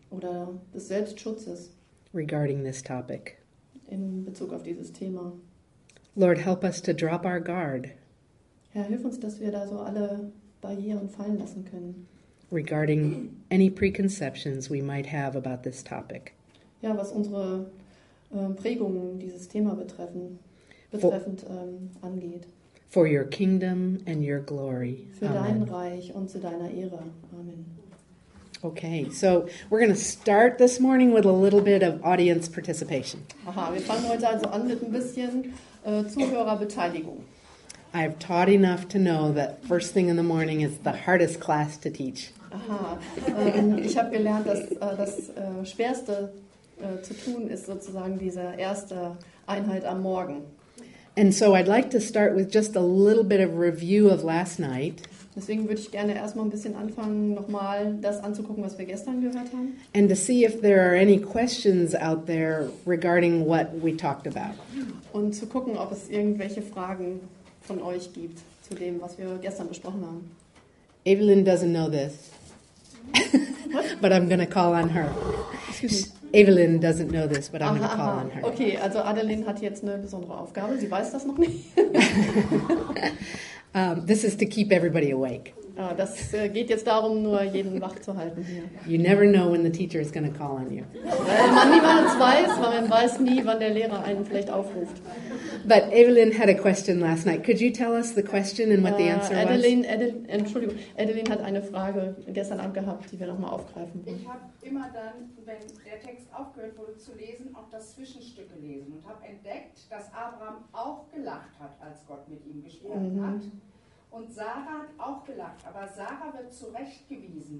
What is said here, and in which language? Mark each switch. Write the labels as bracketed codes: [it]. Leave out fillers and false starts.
[de] Oder des Selbstschutzes. [en] Regarding this topic. [de] In Bezug auf dieses Thema. [en] Lord, help us to drop our guard. [de] Herr, hilf uns, dass wir da so alle Barrieren fallen lassen können. [en] Regarding any preconceptions we might have about this topic. [de] Ja, was unsere Prägungen dieses Thema betreffend angeht. [en] For your kingdom and your glory. [de] Für dein Reich und zu deiner Ehre. Amen. [en] Okay, so we're going to start this morning with a little bit of audience participation. [de] Aha, wir fangen heute also an mit ein bisschen Zuhörerbeteiligung. [en] I've taught enough to know that first thing in the morning is the hardest class to teach. [de] Aha, ich habe gelernt, dass das schwerste zu tun ist sozusagen diese erste Einheit am Morgen. [en] And so I'd like to start with just a little bit of review of last night. [de] Deswegen würde ich gerne erstmal ein bisschen anfangen, nochmal das anzugucken, was wir gestern gehört haben. [en] And to see if there are any questions out there regarding what we talked about. [de] Und zu gucken, ob es irgendwelche Fragen von euch gibt zu dem, was wir gestern besprochen haben. [en] Evelyn doesn't know this. But I'm going to call on her. Excuse me. Evelyn doesn't know this, but I'm going to call on her. [de] Okay, also Adeline hat jetzt eine besondere Aufgabe. Sie weiß das noch nicht. [en] This is to keep everybody awake. [de] Ah, das geht jetzt darum, nur jeden wach zu halten hier. [en] You never know when the teacher is going to call on you. [de] Weil man niemals weiß, weil man weiß nie, wann der Lehrer einen vielleicht aufruft. [en] But Evelyn had a question last night. Could you tell us the question and what the answer was? [de] Evelyn hat eine Frage gestern Abend gehabt, die wir nochmal aufgreifen wollen. Ich habe immer dann, wenn der Text aufgehört wurde zu lesen, auch das Zwischenstück gelesen und habe entdeckt, dass Abraham auch gelacht hat, als Gott mit ihm gesprochen hat. Und Sarah hat auch gelacht, aber Sarah wird zurechtgewiesen.